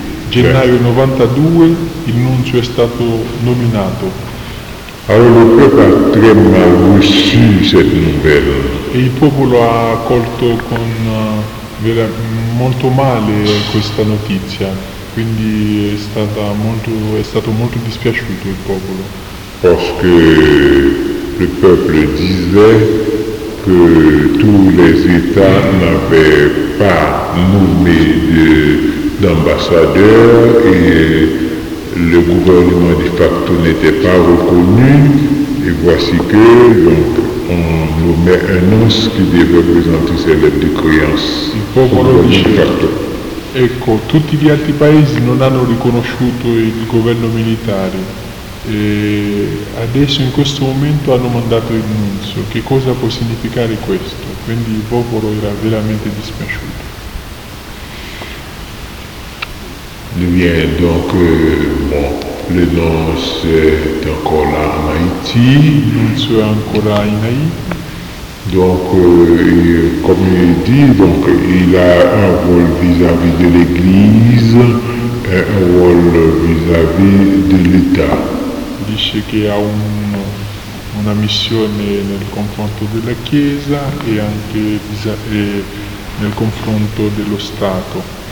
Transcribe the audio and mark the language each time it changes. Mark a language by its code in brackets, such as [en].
[it] Gennaio 92, il nunzio è stato nominato. Avevo preparato ma uscì il numero. E il popolo ha accolto con molto male questa notizia, quindi è stato molto dispiaciuto il popolo. Perché il popolo dice che tutti gli stati [fr] n'avevano nommé d'ambassadeur et le gouvernement de facto n'était pas reconnu et voici que donc on nous met un os qui devait présenter ses lettres de créance. [it] Il popolo dice, ecco, tutti gli altri paesi non hanno riconosciuto il governo militare e adesso in questo momento hanno mandato il nunzio. Che cosa può significare questo? Quindi il popolo era veramente dispiaciuto. [fr] Bien, donc, bon, le nonce est encore là en Haïti. Nonce est encore en Haïti. Donc, comme il dit, donc, il a un rôle vis-à-vis de l'Église et un rôle vis-à-vis de l'État. Il dit qu'il a une mission [it] nel confronto de la Chiesa [fr] et [it] anche nel confronto dello Stato.